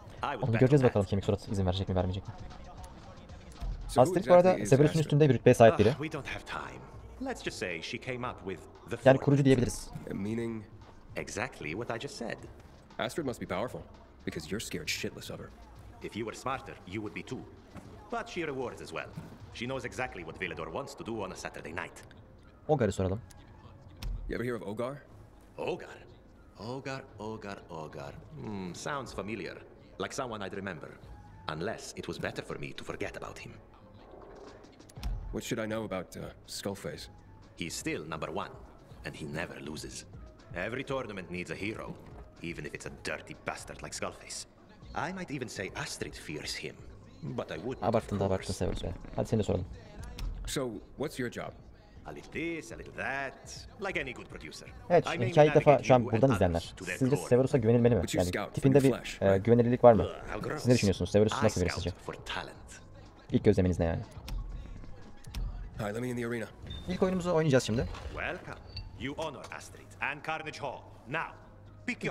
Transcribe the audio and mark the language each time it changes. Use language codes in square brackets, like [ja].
[en] I will. [tr] Onu göreceğiz bakalım kemik suratı izin verecek mi vermeyecek mi. Asterix bu arada Severus'un üstünde bir rütbeye sahip biri. [en] We don't have time. Let's just say she came up with the [tr] yani kurucu diyebiliriz. [en] Meaning exactly what I just said. Astrid must be powerful because you're scared shitless of her. If you were smarter, you would be too. But she rewards as well. She knows exactly what Villador wants to do on a Saturday night. [tr] Ogar'ı soralım. [en] You ever hear of Ogar? Ogar. Ogar, Ogar, Ogar. Hmm, sounds familiar. Like someone I'd remember. Unless it was better for me to forget about him. What should I know about Skullface? He's still number one, and he never loses. Every tournament needs a hero, even if it's a dirty bastard like Skullface. I might even say Astrid fears him, but I wouldn't. [tr] Abartın Severus be. Hadi seni soralım. [en] So, what's your job? A little this, a little that, like any good producer. [tr] Evet, şimdi hikaye ilk defa şu an buradan izleyenler. Sizce Severus'a güvenilmeli mi? Yani tipinde bir güvenilirlik var mı? Siz ne düşünüyorsunuz? Severus nasıl birisi sizce? İlk gözleminiz ne yani? [en] Hi, let me in the arena. [tr] İlk oyunumuzu oynayacağız şimdi. [en] Welcome. You honor Astrid and Carnage Hall. Now, pick your.